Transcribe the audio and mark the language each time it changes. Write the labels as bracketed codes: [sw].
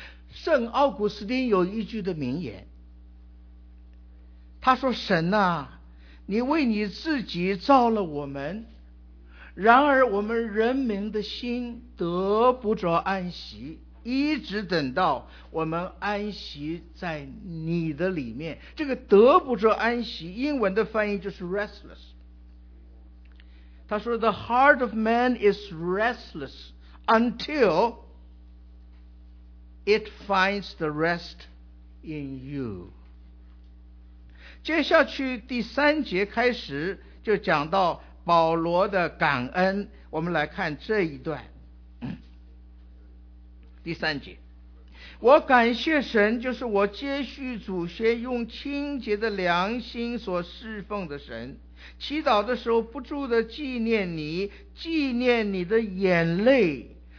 [zh] 圣奥古斯丁有一句的名言，他说：神啊，你为你自己造了我们，然而我们人民的心得不着安息，一直等到我们安息在你的里面。这个得不着安息，英文的翻译就是 restless。他说 [en] The heart of man is restless until it finds the rest in you. [zh] 接下去第三节开始就讲到保罗的感恩，我们来看这一段。第三节，我感谢神，就是我接续祖先用清洁的良心所侍奉的神，祈祷的时候不住地纪念你，纪念你的眼泪，